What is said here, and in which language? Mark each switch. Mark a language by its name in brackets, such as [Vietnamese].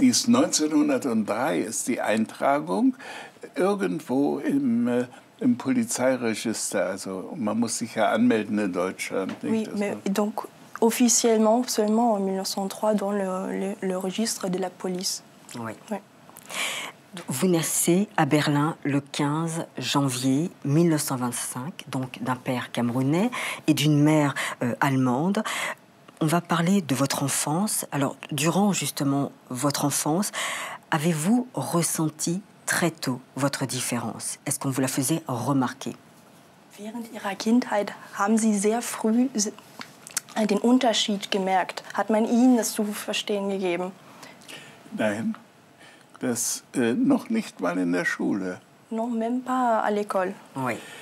[German] Dies 1903 ist die Eintragung irgendwo im Polizeiregister. Also man muss sich ja anmelden in Deutschland. [French] Oui, nicht, mais man... donc officiellement seulement en 1903 dans le registre de la police. Oui. Oui. Vous naissez à Berlin le 15 janvier 1925, donc d'un père camerounais et d'une mère allemande. On va parler de votre enfance. Alors, durant justement votre enfance, avez-vous ressenti très tôt votre différence? Est-ce qu'on vous la faisait remarquer? [German] Während ihrer Kindheit haben Sie sehr früh den Unterschied gemerkt. Hat man Ihnen das zu verstehen gegeben? Nein, das noch nicht mal in der Schule. [French] Non, même pas à l'école. Oui.